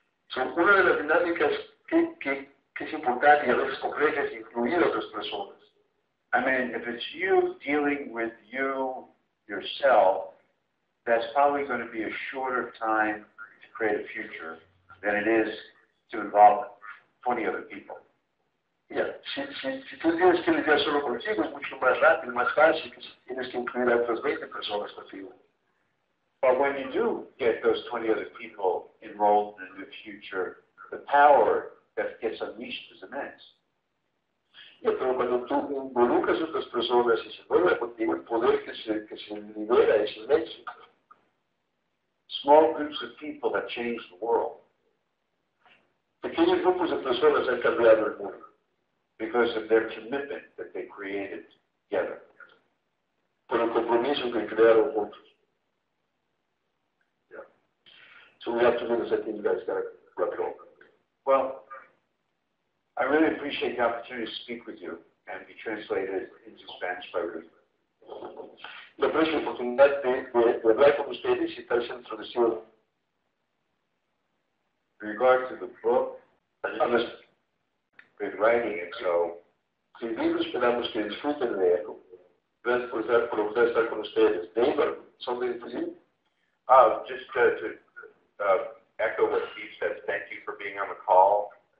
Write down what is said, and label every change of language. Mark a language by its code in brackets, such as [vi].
[en] So one of the dynamics [es] que es importante y a veces compleja es incluir otras personas. [en] I mean, if it's you dealing with you yourself, that's probably going to be a shorter time to create a future than it is to involve 20 other people. Yeah. [es] Si tú tienes que lidiar solo contigo, es mucho más rápido, más fácil, que tienes que incluir a otras 20 personas contigo. [en] But when you do get those 20 other people enrolled in the future, the power that gets unleashed is immense. [es] Yeah, pero cuando tú involucras a otras personas y se vuelve contigo, el poder que se libera es inmenso. [en] small groups of people that change the world. [es] Pequeños grupos de personas han cambiado el mundo. [en] Because of their commitment that they created together. [es] Por el compromiso que crearon juntos. [en] Yeah. So we have to do this, I think you guys got to wrap it up. Well, I really appreciate the opportunity to speak with you and be translated into Spanish by Ruth. [es] Me aprecio la oportunidad de hablar con ustedes y estar siendo traducido. [en] Regards to the book, I'm just been writing it, so. [es] Si bien esperamos que disfruten de él, gracias por estar con ustedes. Estar con ustedes. [en] David, something to see? Just to echo what Steve said, thank you for being on the call.